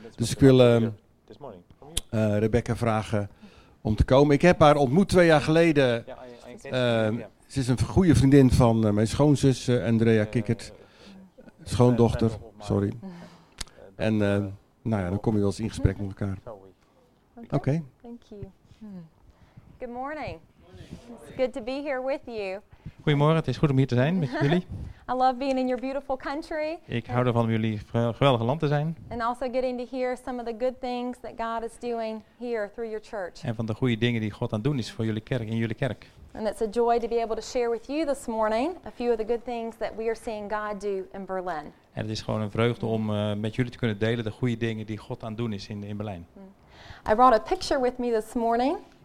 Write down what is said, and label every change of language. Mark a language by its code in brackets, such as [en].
[nl] Dus ik wil Rebekah vragen om te komen. Ik heb haar ontmoet 2 jaar geleden. Ze is een goede vriendin van mijn schoonzus Andrea Kickert. Schoondochter, sorry. En dan kom je wel eens in gesprek met elkaar. Oké. [en] Okay. Thank you. Good morning. It's good to be here with you. [nl] Goedemorgen, het is goed om hier te zijn met jullie. [en] I love being in your beautiful country. [nl] Ik hou ervan om jullie geweldige land te zijn. [en] And also getting to hear some of the good things that God is doing here through your church. [nl] En van de goede dingen die God aan het doen is voor jullie kerk, in jullie kerk. [en] And it's a joy to be able to share with you this morning a few of the good things that we are seeing God do in Berlin. [nl] En het is gewoon een vreugde om met jullie te kunnen delen de goede dingen die God aan het doen is in Berlijn. [en] I brought a picture with me this morning.